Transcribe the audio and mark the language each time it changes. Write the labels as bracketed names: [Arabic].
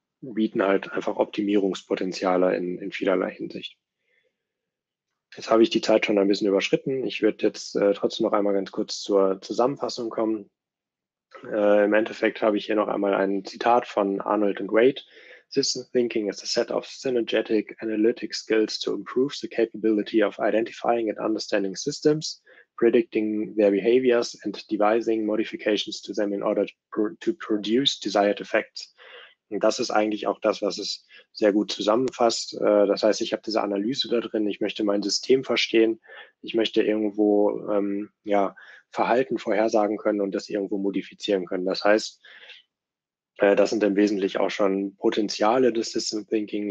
[German] Bieten halt einfach Optimierungspotenziale in vielerlei Hinsicht. Jetzt habe ich die Zeit schon ein bisschen überschritten. Ich würde jetzt trotzdem noch einmal ganz kurz zur Zusammenfassung kommen. Im Endeffekt habe ich hier noch einmal ein Zitat von Arnold und Wade. [English] System Thinking is a set of synergetic analytic skills to improve the capability of identifying and understanding systems, predicting their behaviors and devising modifications to them in order to produce desired effects. [German] Und das ist eigentlich auch das, was es sehr gut zusammenfasst. Das heißt, ich habe diese Analyse da drin. Ich möchte mein System verstehen. Ich möchte irgendwo ja, Verhalten vorhersagen können und das irgendwo modifizieren können. Das heißt, das sind im Wesentlichen auch schon Potenziale des System Thinking.